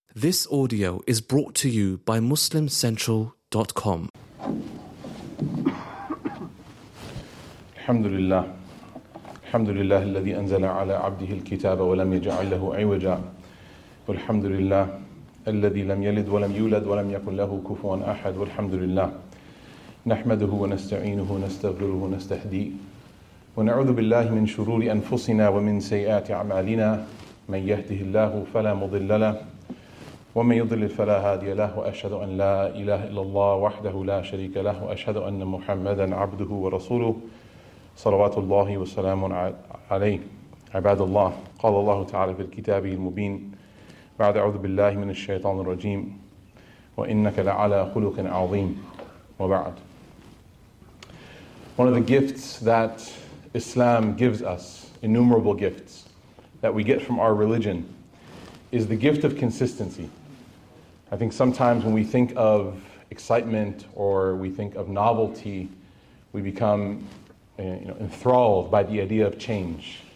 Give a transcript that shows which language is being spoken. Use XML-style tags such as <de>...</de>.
<en>This audio is brought to you by MuslimCentral.com.</en> <ar>الحمد لله الحمد لله الذي أنزل على عبده الكتاب ولم يجعل له عوجا والحمد لله الذي لم يلد ولم يولد ولم يكن له كفوا أحد والحمد لله نحمده ونستعينه ونستغفره ونستهديه ونعوذ بالله من شرور أنفسنا ومن سيئات أعمالنا من يهده الله فلا مضل له ومن يضلل فلا هادي له وأشهد أن لا إله إلا الله وحده لا شريك له وأشهد أن محمدا عبده ورسوله صلوات الله وسلام عليه عباد الله قال الله تعالى في الكتاب المبين بعد أعوذ بالله من الشيطان الرجيم وإنك لعلى خلق عظيم وبعد.</ar> <en>One of the gifts that Islam gives us, innumerable gifts that we get from our religion, is the gift of consistency. I think sometimes when we think of excitement or we think of novelty, we become enthralled by the idea of change.</en>